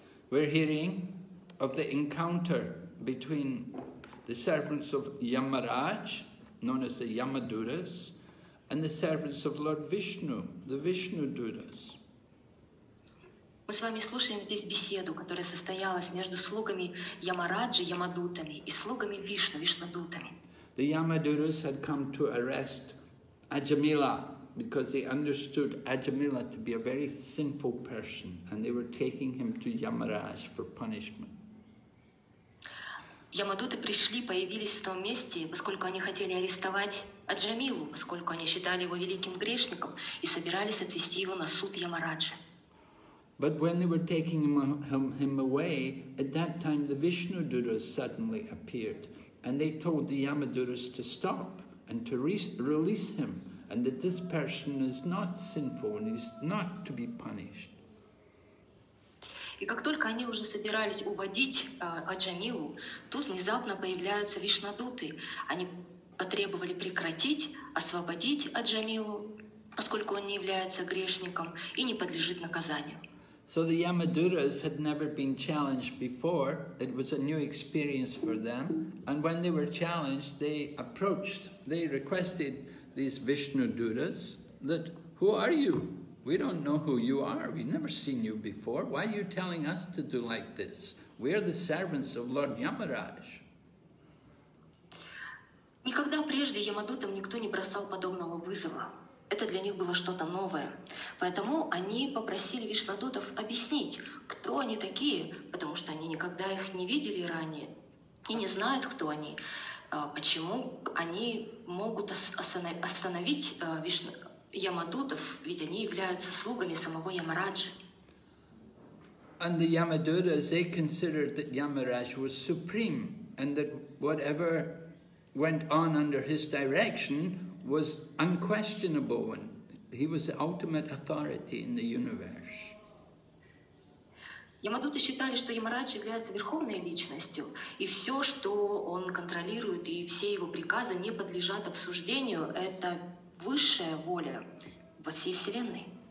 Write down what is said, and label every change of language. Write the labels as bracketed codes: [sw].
[en] We're hearing of the encounter between the servants of Yamaraj, known as the Yamaduras, and the servants of Lord Vishnu, the Vishnu Duras. [ru] Мы с вами слушаем здесь беседу, которая состоялась между слугами Ямараджи, Ямадутами, и слугами Вишну, Вишнадутами. [en] The Yamaduras had come to arrest Ajamila because they understood Ajamila to be a very sinful person, and they were taking him to Yamaraj for punishment. [ru] Ямадуты пришли, появились в том месте, поскольку они хотели арестовать Аджамилу, поскольку они считали его великим грешником и собирались отвести его на суд Ямараджи. [en] But when they were taking him away, at that time the Vishnu Duras suddenly appeared, and they told the Yamaduras to stop and to release him, and that this person is not sinful and is not to be punished. [ru] И как только они уже собирались уводить Аджамилу, тут внезапно появляются Вишнадуты. Они потребовали прекратить, освободить Аджамилу, поскольку он не является грешником и не подлежит наказанию. [en] So the Yamaduras had never been challenged before. It was a new experience for them. And when they were challenged, they requested these Vishnu Duras that, who are you? We don't know who you are. We've never seen you before. Why are you telling us to do like this? We are the servants of Lord Yamaraj. [ru] Никогда прежде Ямадутам никто не бросал подобного вызова. Это для них было что-то новое. Поэтому они попросили Вишнадутов объяснить, кто они такие, потому что они никогда их не видели ранее и не знают, кто они. Почему они могут остановить Ямадутов, ведь они являются слугами самого Ямараджи. [en] And the Yamadutas, they considered that Yamaraj was supreme and that whatever went on under his direction was unquestionable, and he was the ultimate authority in the universe. [ru] Ямадуты считали, что Ямарадж является верховной личностью, и все, что он контролирует, и все его приказы не подлежат обсуждению. Это высшая воля во всей вселенной.